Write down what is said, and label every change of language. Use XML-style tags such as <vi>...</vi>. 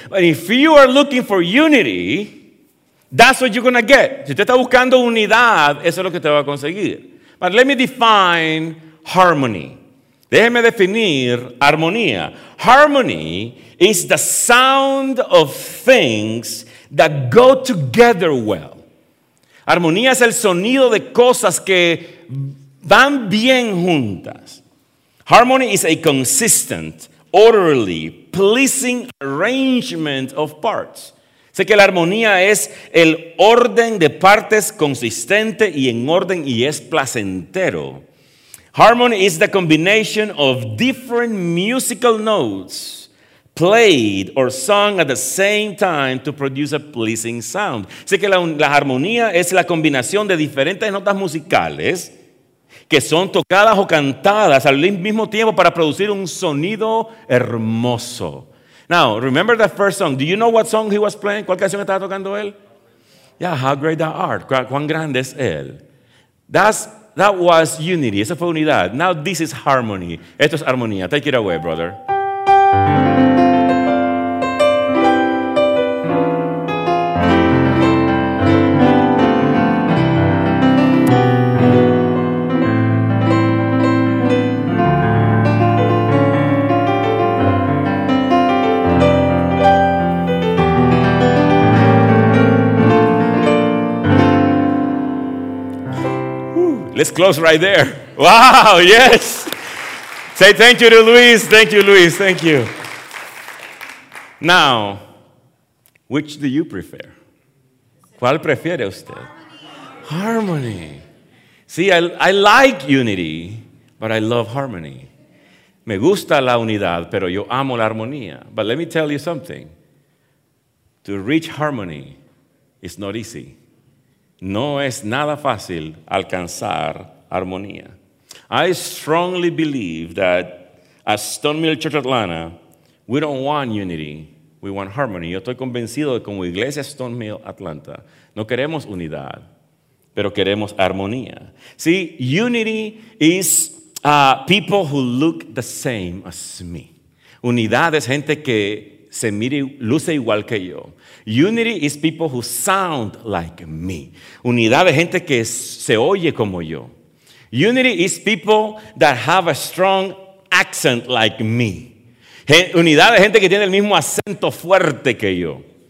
<en>But if you are looking for unity, that's what you're going to get.</en> <es>Si usted está buscando unidad, eso es lo que usted va a conseguir.</es> <en>But let me define harmony.</en> <es>Déjeme definir armonía.</es> <en>Harmony is the sound of things that go together well.</en> <es>Armonía es el sonido de cosas que van bien juntas.</es> <en>Harmony is a consistent, orderly, pleasing arrangement of parts.</en> <es>Sé que la armonía es el orden de partes consistente y en orden y es placentero.</es> <en>Harmony is the combination of different musical notes played or sung at the same time to produce a pleasing sound.</en> <es>Así que la armonía es la combinación de diferentes notas musicales que son tocadas o cantadas al mismo tiempo para producir un sonido hermoso.</es> <en>Now, remember that first song. Do you know what song he was playing?</en> <es>¿Cuál canción estaba tocando él?</es> <en>Yeah, how great thou art.</en> <es>¿Cuán grande es él?</es> <en>That was unity.</en> <es>Esa fue unidad.</es> <en>Now this is harmony.</en> <es>Esto es armonía.</es> <en>Take it away, brother. It's close right there. Wow, yes. Say thank you to Luis. Thank you, Luis. Thank you. Now, which do you prefer?</en> <es>¿Cuál prefiere usted?</es> <en>Harmony. See, I like unity, but I love harmony.</en> <es>Me gusta la unidad, pero yo amo la armonía.</es> <en>But let me tell you something. To reach harmony is not easy.</en> <es>No es nada fácil alcanzar armonía.</es> <en>I strongly believe that at Stone Mill Church Atlanta, we don't want unity, we want harmony.</en> <es>Yo estoy convencido de que como iglesia Stone Mill Atlanta, no queremos unidad, pero queremos armonía.</es> <en>See, unity is people who look the same as me.</en> <es>Unidad es gente que se mire, luce igual que yo.</es> <en>Unity is people who sound like me.</en> <es>Unidad de gente que se oye como yo.</es> <en>Unity is people that have a strong accent like me.</en> <es>Unidad de gente que tiene el mismo acento fuerte que yo.</es>